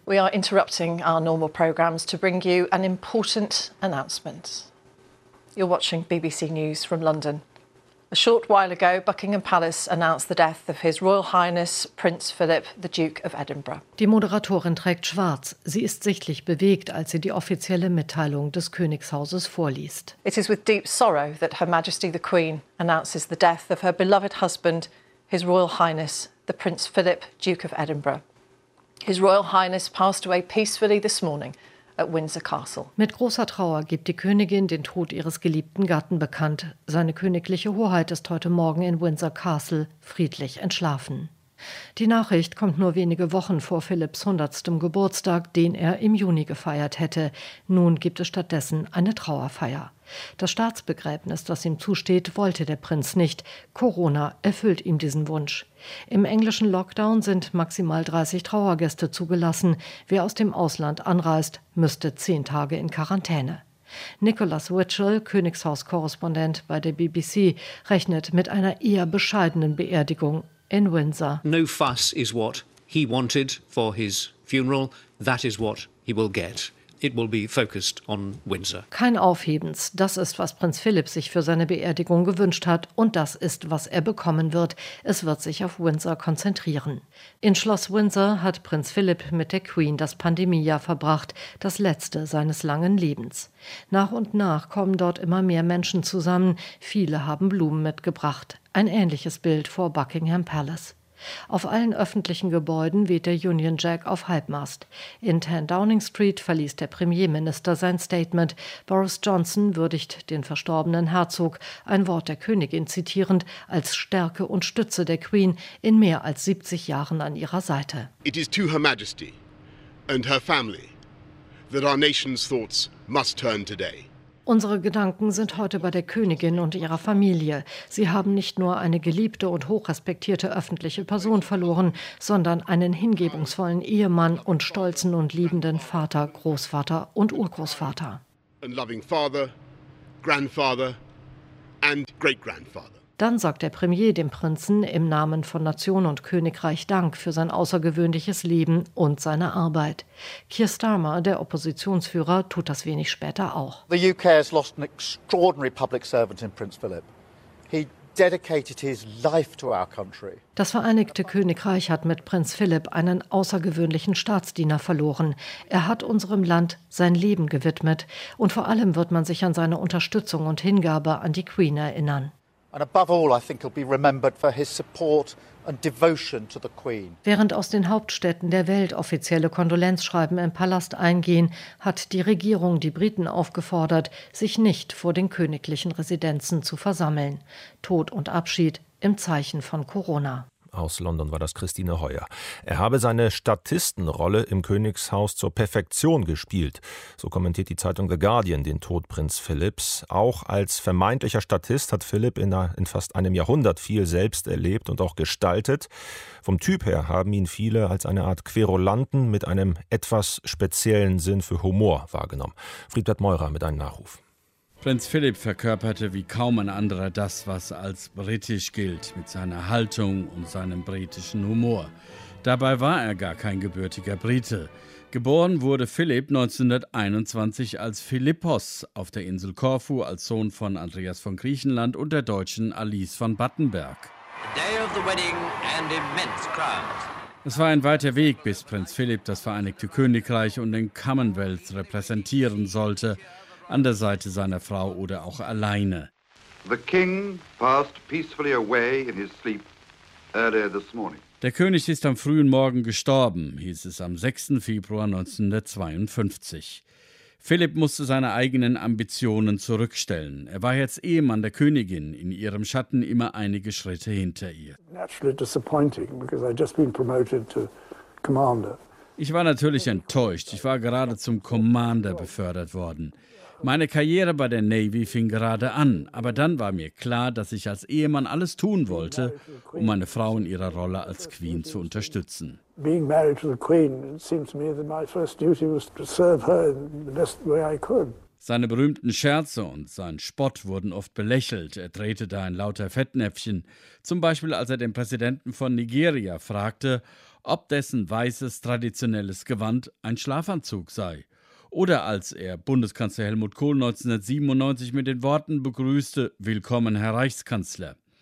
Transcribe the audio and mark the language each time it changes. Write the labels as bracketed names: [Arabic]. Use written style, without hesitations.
[English] We are interrupting our normal programs to bring you an important announcement. You're watching BBC News from London. A short while ago, Buckingham Palace announced the death of His Royal Highness Prince Philip, the Duke of Edinburgh. [German] Die Moderatorin trägt schwarz. Sie ist sichtlich bewegt, als sie die offizielle Mitteilung des Königshauses vorliest. [English] It is with deep sorrow that Her Majesty the Queen announces the death of her beloved husband, His Royal Highness, the Prince Philip, Duke of Edinburgh. His Royal Highness passed away peacefully this morning. At Windsor Castle. [German] Mit großer Trauer gibt die Königin den Tod ihres geliebten Gatten bekannt. Seine königliche Hoheit ist heute Morgen in Windsor Castle friedlich entschlafen. Die Nachricht kommt nur wenige Wochen vor Philipps 100. Geburtstag, den er im Juni gefeiert hätte. Nun gibt es stattdessen eine Trauerfeier. Das Staatsbegräbnis, das ihm zusteht, wollte der Prinz nicht. Corona erfüllt ihm diesen Wunsch. Im englischen Lockdown sind maximal 30 Trauergäste zugelassen. Wer aus dem Ausland anreist, müsste 10 Tage in Quarantäne. Nicholas Witchell, Königshauskorrespondent bei der BBC, rechnet mit einer eher bescheidenen Beerdigung. In Windsor. [English] No fuss is what he wanted for his funeral. That is what he will get. It will be focused on Windsor. [German] Kein Aufhebens. Das ist, was Prinz Philip sich für seine Beerdigung gewünscht hat. Und das ist, was er bekommen wird. Es wird sich auf Windsor konzentrieren. In Schloss Windsor hat Prinz Philip mit der Queen das Pandemiejahr verbracht. Das letzte seines langen Lebens. Nach und nach kommen dort immer mehr Menschen zusammen. Viele haben Blumen mitgebracht. Ein ähnliches Bild vor Buckingham Palace. Auf allen öffentlichen Gebäuden weht der Union Jack auf Halbmast. In 10 Downing Street verließ der Premierminister sein Statement. Boris Johnson würdigt den verstorbenen Herzog, ein Wort der Königin zitierend, als Stärke und Stütze der Queen in mehr als 70 Jahren an ihrer Seite. [English] It is to Her Majesty and her family that our nation's thoughts must turn today. [German] Unsere Gedanken sind heute bei der Königin und ihrer Familie. Sie haben nicht nur eine geliebte und hochrespektierte öffentliche Person verloren, sondern einen hingebungsvollen Ehemann und stolzen und liebenden Vater, Großvater und Urgroßvater. [English] And loving father, grandfather and great-grandfather. [German] Dann sagt der Premier dem Prinzen im Namen von Nation und Königreich Dank für sein außergewöhnliches Leben und seine Arbeit. Keir Starmer, der Oppositionsführer, tut das wenig später auch. [English] The UK has lost an extraordinary public servant in Prince Philip. He dedicated his life to our country. [German] Das Vereinigte Königreich hat mit Prinz Philip einen außergewöhnlichen Staatsdiener verloren. Er hat unserem Land sein Leben gewidmet. Und vor allem wird man sich an seine Unterstützung und Hingabe an die Queen erinnern. [English] And above all, I think he'll be remembered for his support and devotion to the Queen. [German] Während aus den Hauptstädten der Welt offizielle Kondolenzschreiben im Palast eingehen, hat die Regierung die Briten aufgefordert, sich nicht vor den königlichen Residenzen zu versammeln. Tod und Abschied im Zeichen von Corona. Aus London war das Christine Heuer. Er habe seine Statistenrolle im Königshaus zur Perfektion gespielt. So kommentiert die Zeitung The Guardian den Tod Prinz Philipps. Auch als vermeintlicher Statist hat Philipp in fast einem Jahrhundert viel selbst erlebt und auch gestaltet. Vom Typ her haben ihn viele als eine Art Querulanten mit einem etwas speziellen Sinn für Humor wahrgenommen. Friedbert Meurer mit einem Nachruf. Prinz Philipp verkörperte wie kaum ein anderer das, was als britisch gilt, mit seiner Haltung und seinem britischen Humor. Dabei war er gar kein gebürtiger Brite. Geboren wurde Philipp 1921 als Philippos auf der Insel Korfu als Sohn von Andreas von Griechenland und der deutschen Alice von Battenberg. [English] The day of the wedding and immense crowds. [German] Es war ein weiter Weg, bis Prinz Philipp das Vereinigte Königreich und den Commonwealth repräsentieren sollte. An der Seite seiner Frau oder auch alleine. [English] The king passed peacefully away in his sleep earlier this morning. [German] Der König ist am frühen Morgen gestorben, hieß es am 6. Februar 1952. Philipp musste seine eigenen Ambitionen zurückstellen. Er war jetzt Ehemann der Königin, in ihrem Schatten immer einige Schritte hinter ihr. [English] Naturally disappointing, because I'd just been promoted to commander. [German] Ich war natürlich enttäuscht. Ich war gerade zum Commander befördert worden. Meine Karriere bei der Navy fing gerade an, aber dann war mir klar, dass ich als Ehemann alles tun wollte, um meine Frau in ihrer Rolle als Queen zu unterstützen. [English] Being married to the Queen, it seemed to me that my first duty was to serve her in the best way I could. [German] Seine berühmten Scherze und sein Spott wurden oft belächelt. Er drehte da in lauter Fettnäpfchen. Zum Beispiel, als er den Präsidenten von Nigeria fragte, ob dessen weißes traditionelles Gewand ein Schlafanzug sei. Oder als er Bundeskanzler Helmut Kohl 1997 mit den Worten begrüßte, Willkommen, Herr Reichskanzler.